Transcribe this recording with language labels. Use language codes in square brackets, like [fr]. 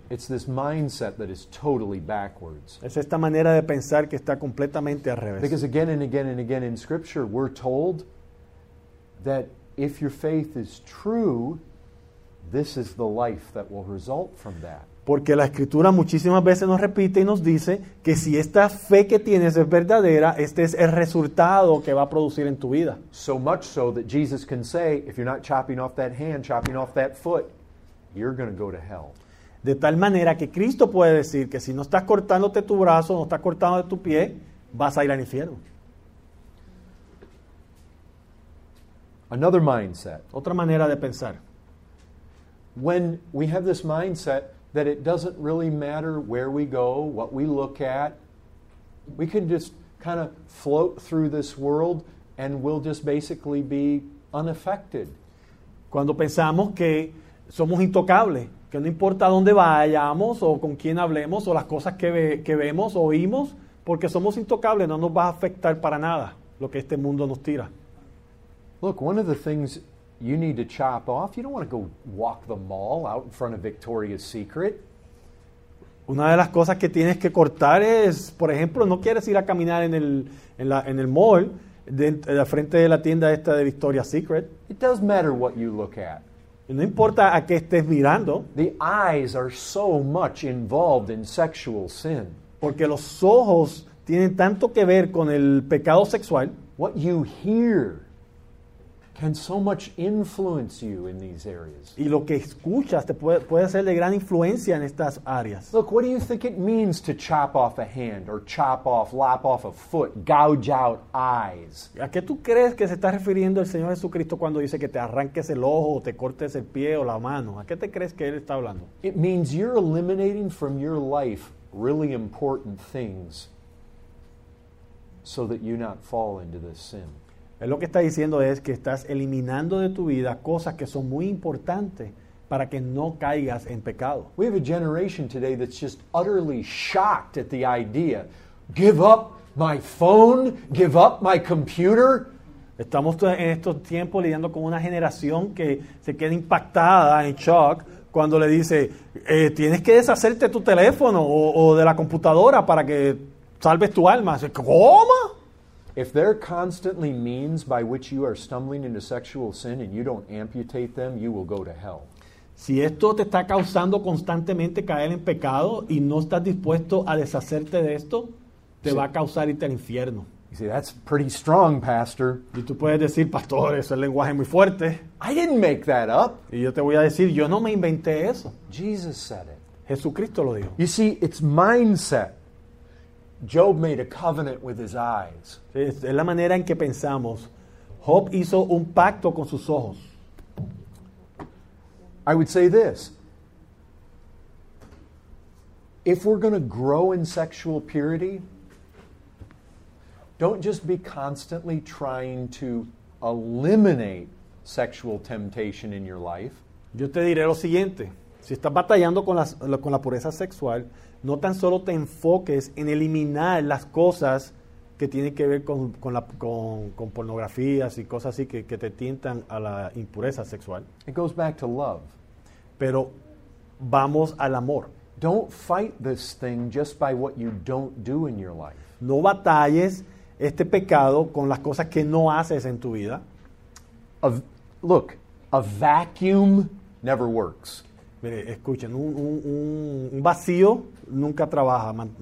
[en] It's this mindset that is totally backwards. [es] Es esta manera de pensar que está completamente al revés. [en] Because again and again and again in Scripture we're told that if your faith is true, this is the life that will result from that. [es] Porque la Escritura muchísimas veces nos repite y nos dice que si esta fe que tienes es verdadera, este es el resultado que va a producir en tu vida. [en] So much so that Jesus can say, if you're not chopping off that hand, chopping off that foot, you're going to go to hell. [es] De tal manera que Cristo puede decir que si no estás cortándote tu brazo, no estás cortándote tu pie, vas a ir al infierno. [en] Another mindset. [es] Otra manera de pensar. [en] When we have this mindset that it doesn't really matter where we go, what we look at, we can just kind of float through this world and we'll just basically be unaffected. [es] Cuando pensamos que somos intocables, que no importa dónde vayamos o con quién hablemos o las cosas que vemos o oímos, porque somos intocables, no nos va a afectar para nada lo que este mundo nos tira. [en] Look, one of the things you need to chop off, you don't want to go walk the mall out in front of Victoria's Secret. [es] Una de las cosas que tienes que cortar es, por ejemplo, no quieres ir a caminar en el mall de frente de la tienda esta de Victoria's Secret. [en] It does matter what you look at. [es] No importa a qué estés mirando. [en] The eyes are so much involved in sexual sin. [es] Porque los ojos tienen tanto que ver con el pecado sexual. [en] What you hear can so much influence you in these areas. [es] Y lo que escuchas te puede ser de gran influencia en estas áreas. [en] Look, what do you think it means to chop off a hand or chop off, lop off a foot, gouge out eyes? [es] ¿A qué tú crees que se está refiriendo el Señor Jesucristo cuando dice que te arranques el ojo o te cortes el pie o la mano? ¿A qué te crees que Él está hablando? [en] It means you're eliminating from your life really important things so that you not fall into this sin. [es] Él lo que está diciendo es que estás eliminando de tu vida cosas que son muy importantes para que no caigas en pecado. [en] We have a generation today that's just utterly shocked at the idea. Give up my phone, give up my computer. [es] Estamos en estos tiempos lidiando con una generación que se queda impactada en shock cuando le dice, tienes que deshacerte tu teléfono o de la computadora para que salves tu alma. ¿Cómo? [en] If there are constantly means by which you are stumbling into sexual sin and you don't amputate them, you will go to hell. [es] Si esto te está causando constantemente caer en pecado y no estás dispuesto a deshacerte de esto, te va a causar irte al infierno. [en] You see, that's pretty strong, Pastor. [es] Y tú puedes decir, Pastor, eso es lenguaje muy fuerte. [en] I didn't make that up. [es] Y yo te voy a decir, yo no me inventé eso. [en] Jesus said it. [es] Jesucristo lo dijo. [en] You see, it's mindset. Job made a covenant with his eyes. [es] Es la manera en que pensamos. Job hizo un pacto con sus ojos. [en] I would say this. If we're going to grow in sexual purity, don't just be constantly trying to eliminate sexual temptation in your life. [es] Yo te diré lo siguiente. Si estás batallando con la pureza sexual, no tan solo te enfoques en eliminar las cosas que tienen que ver con pornografías y cosas así que te tientan a la impureza sexual. [en] It goes back to love. [es] Pero vamos al amor. [en] Don't fight this thing just by what you don't do in your life. [es] No batalles este pecado con las cosas que no haces en tu vida. [en] Look, a vacuum never works. [es] Mire, escuchen, un vacío nunca trabaja.